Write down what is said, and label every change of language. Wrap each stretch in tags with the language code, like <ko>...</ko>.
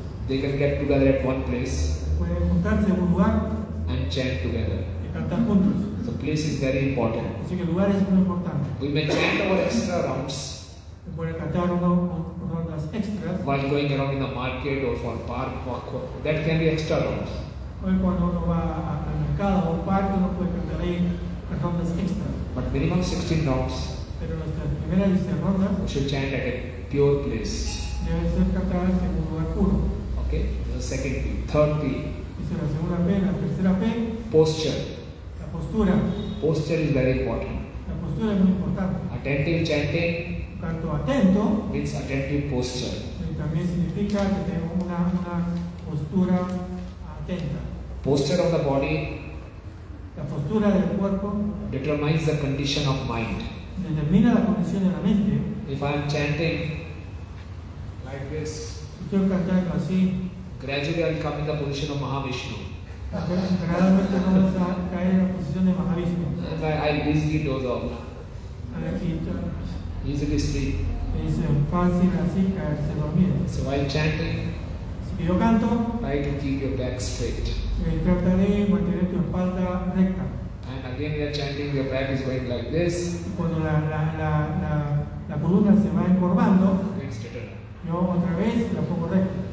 <en>They can get together at one place.</en> <es>Pueden juntarse en un lugar.</es> <en>And chant together.</en> <es>Y cantar juntos.</es> <en>So place is very important.</en> <es>Así que el lugar es muy importante.</es> <en>We may chant our extra rounds.</en> <es>Pueden cantar rondas extras.</es> <en>While going around in the market or for park walk. That can be extra rounds.</en> <es>Cuando uno va al mercado o al parque, uno puede cantar ahí las rondas extras.</es> <en>But minimum 16 rounds.</en> <es>Pero nuestras primeras 16 rondas.</es> <en>We should chant at a pure place.</en> <es>Debe ser cantadas en un lugar puro.</es> <en>Okay. The second P. Third P.</en> <es>Es la segunda P. La tercera P.</es> <en>Posture.</en> <es>La postura.</es> <en>Posture is very important.</en> <es>La postura es muy importante.</es> <en>Attentive chanting.</en> <es>Canto atento.</es> <en>Means attentive posture.</en> <es>Y también significa que tengo una postura. Atenta.</es> <en>Posture of the body,</en> <es>la postura del cuerpo,</es> <en>determines the condition of mind.</en> <es>Determina la condición de la mente.</es> <en>If I am chanting like this,</en> <es>estoy cantando así,</es> <en>gradually I will come in the position of Mahavishnu.</en> <es>Gradualmente vamos a caer en la posición de Mahavishnu.</es> <en>I easily doze off.</en> <es>Aquí,</es> <en>easily sleep.</en> <es>Es fácil así caerse dormido.</es> <en>So while chanting.</en> <es>Yo canto.</es> <en>Try to keep your back straight.</en> <es>Trataré de mantener tu espalda recta.</es> <en>And again you are chanting, your back is going like this.</en> <es>Cuando la columna se va encorvando, yo otra vez la pongo recta.</es>